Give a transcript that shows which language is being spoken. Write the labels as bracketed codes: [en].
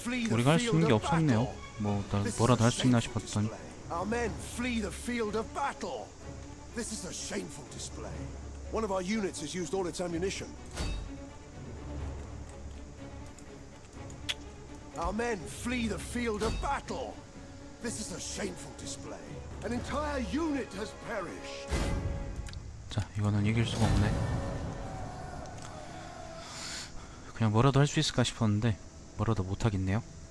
[ko] 우리가 할 수 있는 게 없었네요. 뭐 나, 뭐라도 할 수 있나 싶었더니. [en] Our men flee the field of battle. This is a shameful display. One of our units has used all its ammunition. Our men flee the field of battle. This is a shameful display. An entire unit has perished. [ko] 자, 이거는 이길 수가 없네. 그냥 뭐라도 할 수 있을까 싶었는데 뭐라도 못 하겠네요.